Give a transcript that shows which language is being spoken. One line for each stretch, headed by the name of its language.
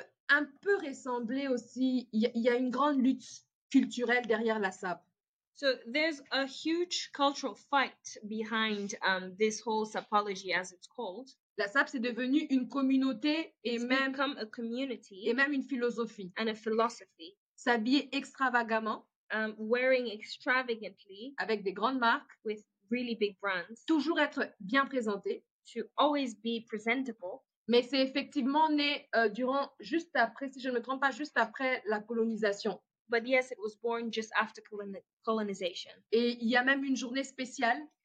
French: Un peu ressembler aussi, il y a une grande lutte culturelle derrière la sape.
English: So there's a huge cultural fight behind this whole sapology, as it's called.
French: La sape, c'est devenu une communauté et
English: become a community.
French: Et même une philosophie.
English: And a philosophy.
French: S'habiller extravagamment.
English: Wearing extravagantly.
French: Avec des grandes marques.
English: With really big brands.
French: Toujours être bien présenté.
English: To always be presentable.
French: Mais c'est effectivement né durant, juste après, si je ne me trompe pas, juste après la colonisation.
English: But yes, it was born just after colonization.
French: Et il y a même une journée spéciale.